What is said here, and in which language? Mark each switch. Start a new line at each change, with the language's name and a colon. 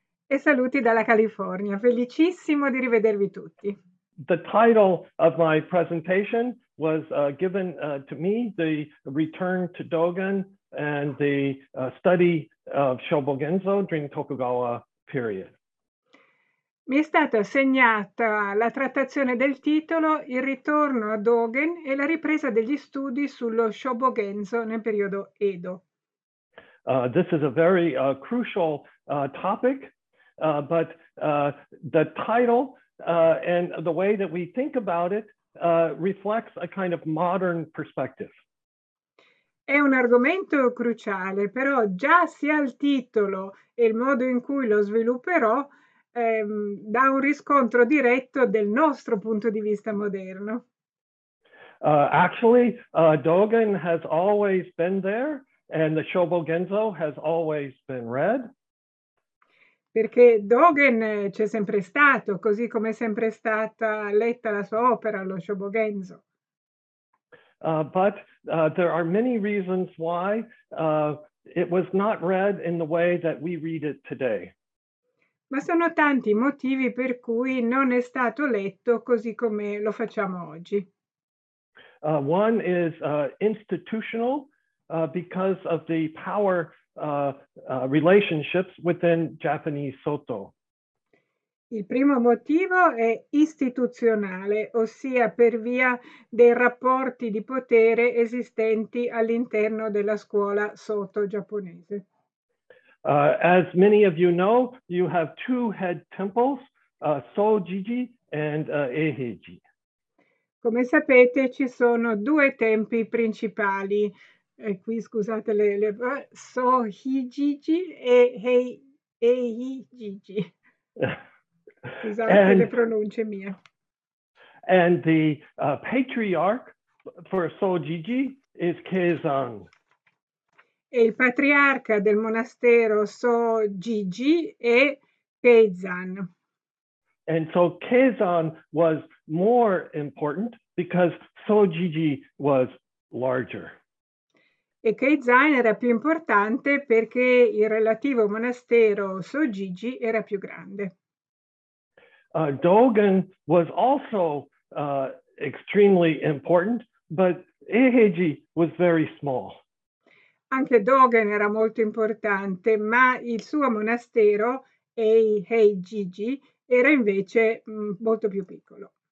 Italian: E saluti dalla California. Felicissimo di rivedervi tutti.
English: The title of my presentation was given to me, the return to Dogen and the study of Shobogenzo during Tokugawa period.
Italian: Mi è stata assegnata la trattazione del titolo Il ritorno a Dogen e la ripresa degli studi sullo Shobogenzo nel periodo Edo.
English: This is a very crucial topic, but the title and the way that we think about it reflects a kind of modern perspective.
Italian: È un argomento cruciale, però già sia il titolo e il modo in cui lo svilupperò dà un riscontro diretto del nostro punto di vista moderno.
English: Dogen has always been there and the Shobogenzo has always been read.
Italian: Perché Dogen c'è sempre stato, così come è sempre stata letta la sua opera, lo Shobogenzo.
English: There are many reasons why it was not read in the way that we read it today.
Italian: Ma sono tanti i motivi per cui non è stato letto così come lo facciamo oggi.
English: One is institutional, because of the power relationships within Japanese Soto.
Italian: Il primo motivo è istituzionale, ossia per via dei rapporti di potere esistenti all'interno della scuola Soto giapponese.
English: As many of you know, you have two head temples, Sōjiji and Eheji.
Italian: Come sapete, ci sono due tempi principali, e qui scusate le so hi gigi e hei e hi gigi. Scusate le pronunce mie.
English: And the patriarch for so gigi is Kezang.
Italian: E il patriarca del monastero So Gigi è Kezan.
English: And so Kezan was more important because So Gigi was larger.
Italian: E Kezan era più importante perché il relativo monastero So Gigi era più grande.
English: Dogen was also extremely important, but Eheji was very small.
Italian: Anche Dogen era molto importante, ma il suo monastero, Eiheijiji, era invece molto più piccolo.